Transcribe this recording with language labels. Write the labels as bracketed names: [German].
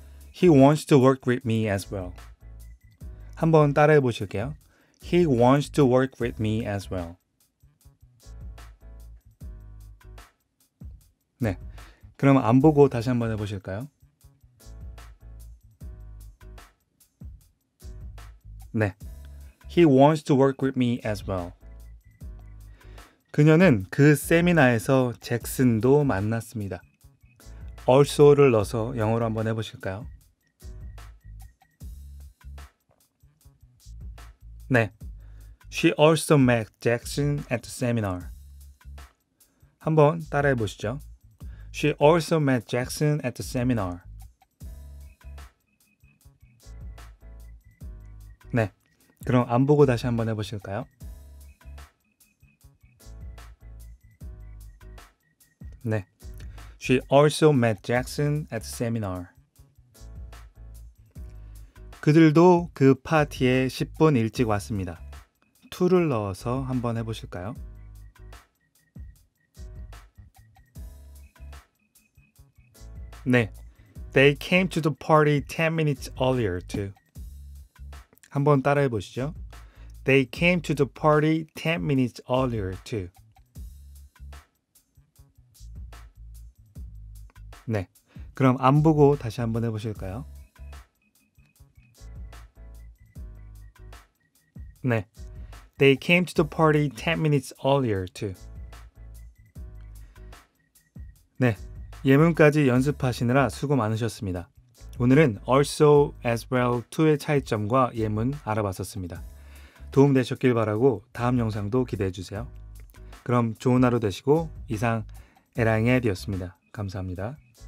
[English] He wants to work with me as well. [Korean] 한번 따라해 보실게요. [English] He wants to work with me as well. [Korean] 네, 그럼 안 보고 다시 한번 해보실까요? [English] 네, He wants to work with me as well. [Korean] 그녀는 그 세미나에서 잭슨도 만났습니다. also를 넣어서 영어로 한번 해보실까요? [English] 네, She also met Jackson at the seminar. [Korean] 한번 따라해 보시죠. [English] She also met Jackson at the seminar. [Korean] 네, 그럼 안 보고 다시 한번 해보실까요? [English] 네, She also met Jackson at the seminar. [Korean] 그들도 그 파티에 10분 일찍 왔습니다. to를 넣어서 한번 해보실까요? [English] 네, they came to the party 10 minutes earlier to. [Korean] 한번 따라해보시죠. [English] They came to the party 10 minutes earlier to. [Korean] 네, 그럼 안 보고 다시 한번 해보실까요? [English] 네, they came to the party 10 minutes earlier to. [Korean] 네, 예문까지 연습하시느라 수고 많으셨습니다. 오늘은 also, as well, to의 차이점과 예문 알아봤었습니다. 도움 되셨길 바라고 다음 영상도 기대해주세요. 그럼 좋은 하루 되시고 이상 에라잉 헤드였습니다. 감사합니다.